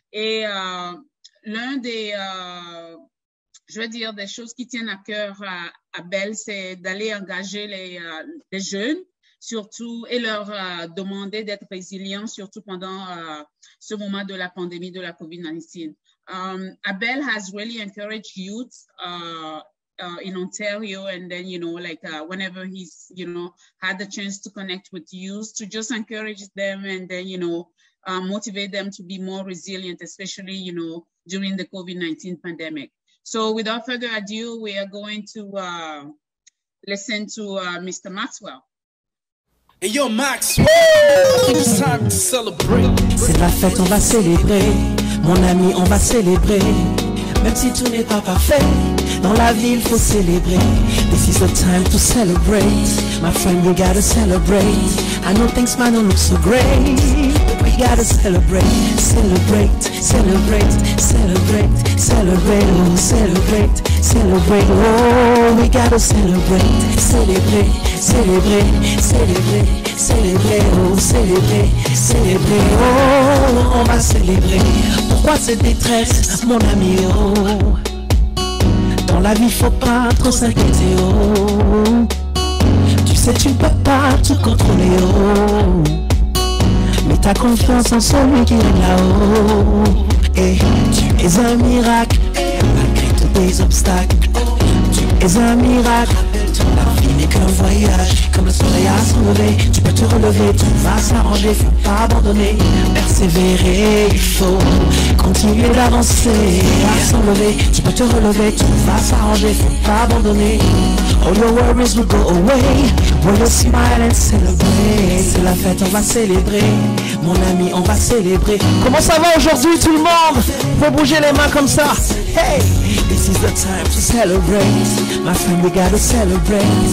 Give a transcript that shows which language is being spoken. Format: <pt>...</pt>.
<fr>Et l'un des, je veux dire, des choses qui tiennent à cœur à Abel, c'est d'aller engager les jeunes, surtout, et leur demander d'être résilients, surtout pendant ce moment de la pandémie de la COVID-19.</fr> <en>Abel has really encouraged youth in Ontario, and then, you know, like whenever he's, you know, had the chance to connect with youth, to just encourage them and then, you know, motivate them to be more resilient, especially, you know, during the COVID-19 pandemic. So without further ado, we are going to listen to Mr. Maxwell. Hey, yo, Max, woo! It's time to celebrate.</en> <fr>C'est la fête, on va célébrer. Mon ami, on va célébrer. Même si tout n'est pas parfait, dans la ville, faut célébrer.</fr> <en>This is the time to celebrate. My friend, we gotta celebrate. I know things might not look so great, but we gotta celebrate. Celebrate, celebrate, celebrate, celebrate, oh, celebrate, celebrate, oh, we gotta celebrate. Celebrate, celebrate, celebrate, celebrate, oh, celebrate, celebrate, oh,</en> <fr>on va célébrer. Pourquoi cette détresse, mon ami, oh? Dans la vie, faut pas trop s'inquiéter, oh. C'est tu ne peux pas tout contrôler, oh. Mets ta confiance en celui qui est là-haut. Et tu es un miracle, malgré tous tes obstacles. Tu es un miracle, la vie n'est qu'un voyage. Comme le soleil à se lever, tu peux te relever, tout va s'arranger. Faut pas abandonner, persévérer, il faut continuer d'avancer. Sans lever, tu peux te relever, tout va s'arranger, faut pas abandonner.</fr> <en>All your worries will go away when you smile and celebrate.</en> <fr>C'est la fête, on va célébrer. Mon ami, on va célébrer. Comment ça va aujourd'hui tout le monde? Faut bouger les mains comme ça. Hey!</fr> <en>This is the time to celebrate. My friend, we gotta celebrate.</en>